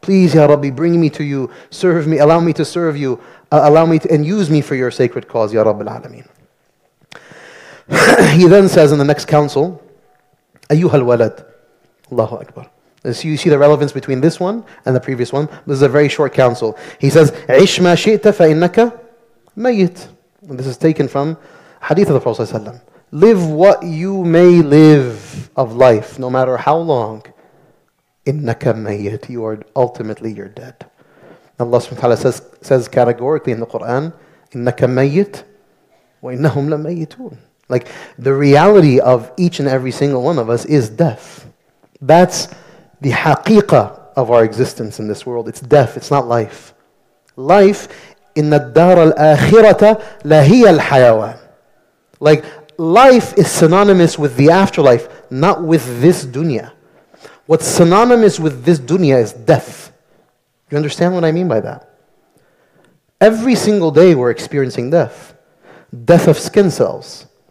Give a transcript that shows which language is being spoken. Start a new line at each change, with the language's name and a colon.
English: Please, Ya Rabbi, bring me to you, serve me, allow me to serve you, allow me to, and use me for your sacred cause, Ya Rabbi Alameen. He then says in the next counsel,
Arabic: أيها الولد,
English: Allahu Akbar, So you see the relevance between this one and the previous one. This is a very short counsel. He says,
Arabic: عِشْ مَا شِئْتَ فَإِنَّكَ مَيِّتٌ.
English: This is taken from hadith of the Prophet ﷺ. Live what you may live of life, no matter how long.
Arabic: إِنَّكَ مَيِّتٌ.
English: You are ultimately, you're dead. Allah subhanahu wa ta'ala says categorically in the Quran,
Arabic: إِنَّكَ مَيِّتٌ وَإِنَّهُمْ لَمَيِّتُونَ.
English: Like, the reality of each and every single one of us is death. That's the haqiqa of our existence in this world. It's death, it's not life.
Arabic: Life, إِنَّ الدَّارَ الْآخِرَةَ لَهِيَ الْحَيَوَانِ.
English: Like, life is synonymous with the afterlife, not with this dunya. What's synonymous with this dunya is death. You understand what I mean by that? Every single day we're experiencing death. Death of skin cells.